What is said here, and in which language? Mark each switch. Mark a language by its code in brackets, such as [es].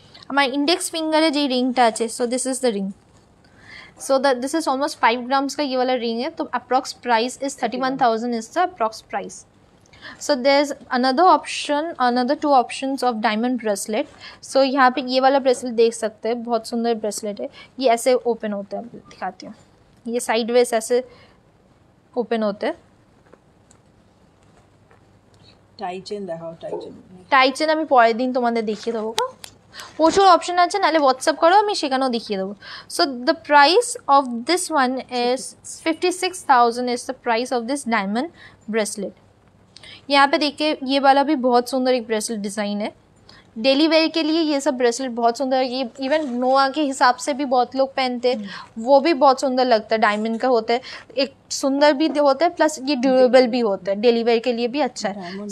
[hi] हमारा index finger है जो रिंग टच है. [en] So this is the ring. So this is almost 5 grams [hi] का ये वाला रिंग है. [en] तो approx price is 31,000 is the approx price. So there is another option, another two option of diamond bracelet. [hi] सो यहाँ पे ये वाला ब्रेसलेट देख सकते हैं, बहुत सुंदर ब्रेसलेट है. ये ऐसे ओपन होते हैं, दिखाती हूँ, ये साइड वेज ऐसे ओपन होते हैं. [bn] टाई चेन আমি পরের দিন তোমাদের দেখিয়ে দেবো, প্রচুর অপশন আছে, নাহলে হোয়াটসঅ্যাপ করো, আমি সেখানেও দেখিয়ে দেবো. [en] So the price of this one is 56,000 is the price of this diamond bracelet. [hi] यहाँ पे देखिए, ये वाला भी बहुत सुंदर एक ब्रेसलेट डिज़ाइन है, डेली वेयर के लिए ये सब ब्रेसलेट बहुत सुंदर है. ये इवन नोआ के हिसाब से भी बहुत लोग पहनते हैं, वो भी बहुत सुंदर लगता है. डायमंड का होता है, एक सुंदर भी होता है, प्लस ये ड्यूरेबल भी होता है, डेली वेयर के लिए भी अच्छा है.